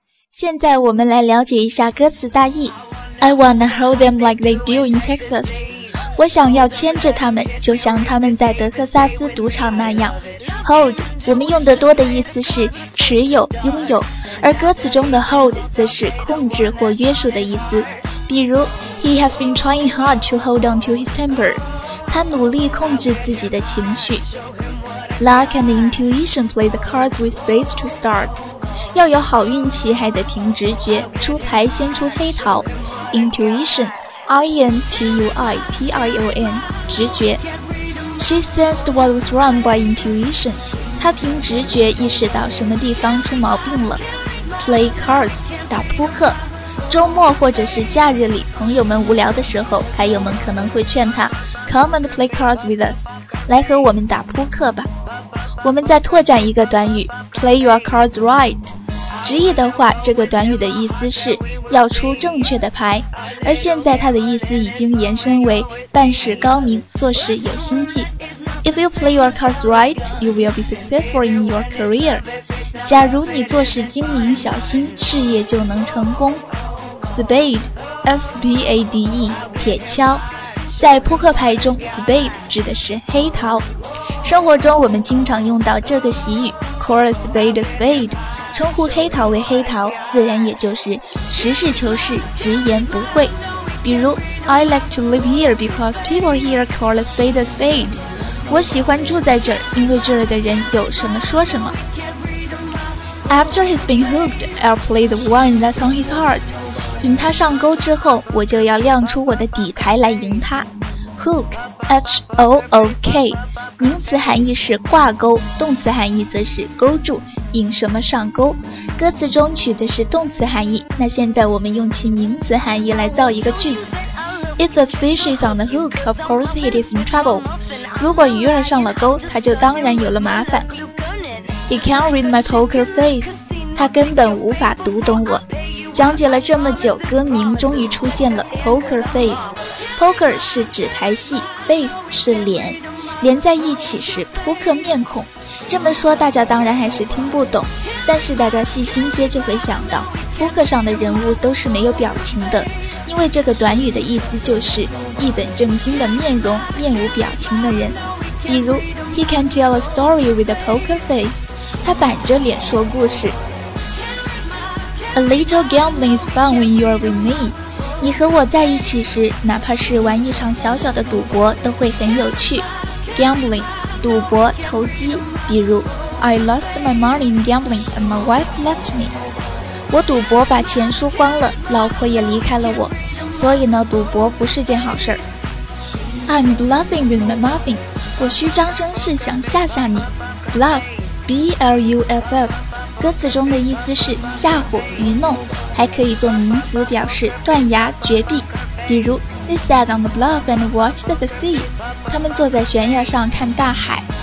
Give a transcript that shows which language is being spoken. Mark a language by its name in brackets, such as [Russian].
[Chinese] 现在我们来了解一下歌词大意。 [English] I wanna hold them like they do in Texas， [Chinese] 我想要牵着他们就像他们在德克萨斯赌场那样。 Hold 我们用得多的意思是持有、拥有，而歌词中的 hold 则是控制或约束的意思。比如 [English] He has been trying hard to hold on to his temper， [Chinese] 他努力控制自己的情绪。 [English] Luck and intuition play the cards with space to start. [Chinese] 要有好运气还得凭直觉，出牌先出黑桃。 Intuition, I-N-T-U-I-T-I-O-N, 直觉。 [English] She sensed what was wrong by intuition. [Chinese] 她凭直觉意识到什么地方出毛病了。 Play cards, 打扑克。周末或者是假日里，朋友们无聊的时候，牌友们可能会劝他 [English] Come and play cards with us， [Chinese] 来和我们打扑克吧。我们再拓展一个短语 [English] Play your cards right， [Chinese] 直译的话，这个短语的意思是要出正确的牌，而现在它的意思已经延伸为办事高明，做事有心计。 [English] If you play your cards right, you will be successful in your career。 [Chinese] 假如你做事精明小心，事业就能成功。 Spade, S-B-A-D-E, 铁锹。在扑克牌中 ,Spade 指的是黑桃。生活中我们经常用到这个习语 , [English] Call a spade a spade, [Chinese] 称呼黑桃为黑桃，自然也就是实事求是，直言不讳。比如 , [English] I like to live here because people here call a spade a spade, [Chinese] 我喜欢住在这儿，因为这儿的人有什么说什么。 [English] After he's been hooked, I'll play the one that's on his heart. [Chinese] 引他上钩之后，我就要亮出我的底牌来赢他。 Hook, H-O-O-K, 名词含义是挂钩，动词含义则是勾住，引什么上钩。歌词中取的是动词含义，那现在我们用其名词含义来造一个句子。 [English] If a fish is on the hook, of course it is in trouble. [Chinese] 如果鱼儿上了钩，他就当然有了麻烦。 [English] He can't read my poker face. [Chinese] 他根本无法读懂我。讲解了这么久，歌名终于出现了 Poker Face。 Poker 是纸牌戏， Face 是脸，连在一起是扑克面孔。这么说大家当然还是听不懂，但是大家细心些就会想到扑克上的人物都是没有表情的，因为这个短语的意思就是一本正经的面容，面无表情的人。比如 [English] He can tell a story with a poker face， [Chinese] 他板着脸说故事。 [English] A little gambling is fun when you are with me. [Chinese] 你和我在一起时，哪怕是玩一场小小的赌博都会很有趣。 Gambling, 赌博、投机。 [English] 比如 I lost my money in gambling and my wife left me. [Chinese] 我赌博把钱输光了，老婆也离开了我。所以呢，赌博不是件好事。 [English] I'm bluffing with my muffin. [Chinese] 我虚张声势想吓吓你。 [English] Bluff, B-L-U-F-F. [Chinese] 歌词中的意思是吓唬、愚弄，还可以做名词表示断崖绝壁。比如 [English] They sat on the bluff and watched the sea， [Chinese] 他们坐在悬崖上看大海。